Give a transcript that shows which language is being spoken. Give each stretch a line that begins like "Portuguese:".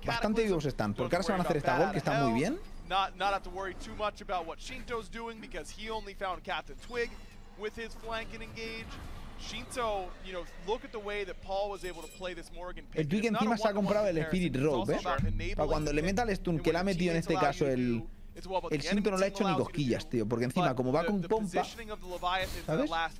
Spanish: Bastante vivos están, porque ahora se van a hacer esta gol que está muy bien.
English: Not have to worry too much about what Shinto's doing because he only found Captain Twig. With his flank and engage, Shinto, you know, look at the way that Paul was able to play this Morgan pick.
Spanish: El Twig encima se ha comprado el Spirit Robe, ¿eh? Para cuando le meta el stun, que le ha metido en este caso el Shinto no le ha hecho ni cosquillas, tío. Porque encima, como va con pompa, ¿sabes?